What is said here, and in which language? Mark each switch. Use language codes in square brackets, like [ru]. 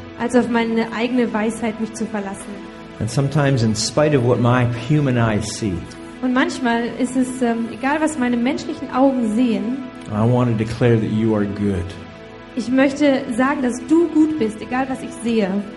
[de] Als auf meine eigene Weisheit mich zu verlassen. [en] And sometimes in spite of what my human eyes see. [de] Und manchmal ist es egal, was meine menschlichen Augen sehen. [en] I want to declare that you are good. [de] Ich möchte sagen, dass du gut bist, egal was ich sehe.